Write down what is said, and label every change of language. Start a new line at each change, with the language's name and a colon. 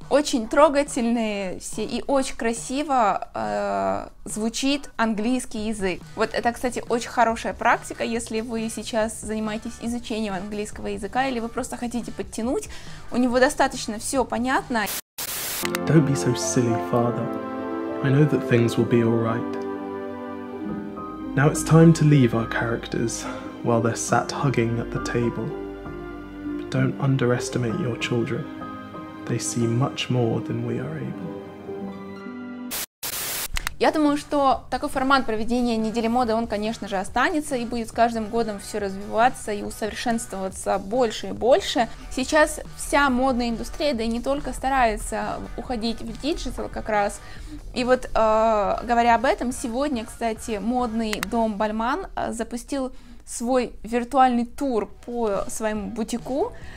Russian: Очень трогательные все, и очень красиво звучит английский язык. Вот это, кстати, очень хорошая практика, если вы сейчас занимаетесь изучением английского языка, или вы просто хотите подтянуть. У него достаточно все понятно.
English: Don't be so silly, father. I know that things will be all right. Now it's time to leave our characters while they're sat hugging at the table. But don't underestimate your children. They see much more than we are able.
Russian: Я думаю, что такой формат проведения недели моды, он, конечно же, останется и будет с каждым годом все развиваться и усовершенствоваться больше и больше. Сейчас вся модная индустрия, да и не только, старается уходить в диджитал как раз. И вот, говоря об этом, сегодня, кстати, модный дом Бальман запустил свой виртуальный тур по своему бутику.